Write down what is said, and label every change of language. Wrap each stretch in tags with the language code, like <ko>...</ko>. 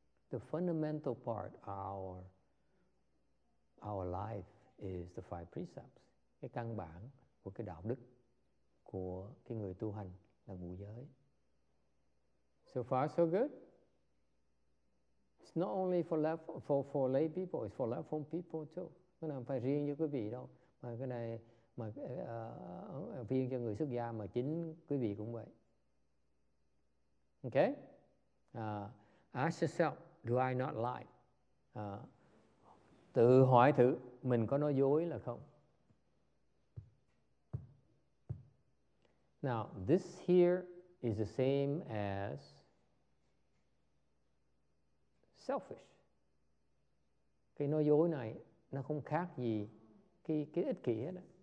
<en>The fundamental part of our life is the five precepts.</en> <vi>Cái căn bản của cái đạo đức của cái người tu hành là ngũ giới.</vi> <en>So far, so good. It's not only for lay people; it's for lay phone people too.</en> <vi>Cái này không phải riêng cho quý vị đâu, mà cái này mà riêng cho người xuất gia mà chính quý vị cũng vậy. Okay?</vi> <en>Ask yourself, do I not lie?</en> <vi>Tự hỏi thử mình có nói dối là không.</vi> <en>Now, this here is the same as selfish.</en> <vi>Cái nói dối này nó không khác gì cái ích kỷ hết đó.</vi>